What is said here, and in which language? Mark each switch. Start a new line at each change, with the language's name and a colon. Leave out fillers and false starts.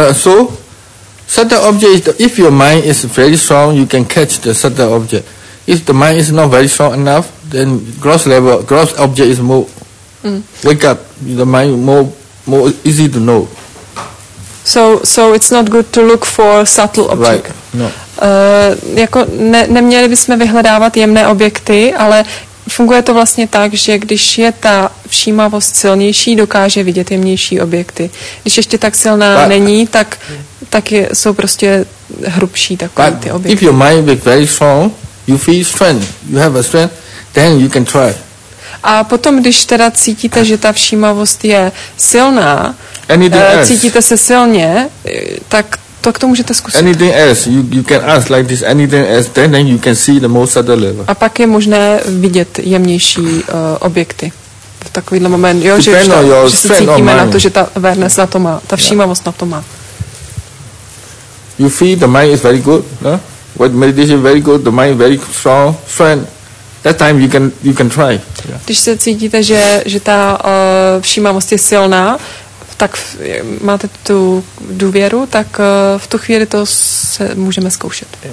English: So, subtle object is if your mind is very strong, you can catch the subtle object. If the mind is not very strong enough, then gross level, gross object is more. Mm. Wake up, the mind more easy to know. So it's not good to look for subtle object. Right. No.
Czech: Jako neměli bychom vyhledávat jemné objekty, ale funguje to vlastně tak, že když je ta všímavost silnější, dokáže vidět jemnější objekty. Když ještě tak silná
English: but,
Czech: není, tak je, jsou prostě hrubší takové ty objekty.
English: If your mind is very strong, you feel strength, you have a strength, then you can try.
Czech: A potom, když teda cítíte, že ta všímavost je silná, cítíte se silně, tak to k tomu můžete zkusit.
English: Anything else, you can ask like this, anything else, then you can see the most subtle level.
Czech: A pak je možné vidět jemnější objekty. V takovýhle moment, jo, že se cítíme na to, že ta awareness na to má, ta všímavost na to má.
English: You feel the mind is very good, no? With meditation very good, the mind very strong, friend. That time you can try. Yeah.
Czech: Když se cítíte, že ta všímavost je silná, tak máte tu důvěru, tak v tu chvíli to se můžeme zkoušet.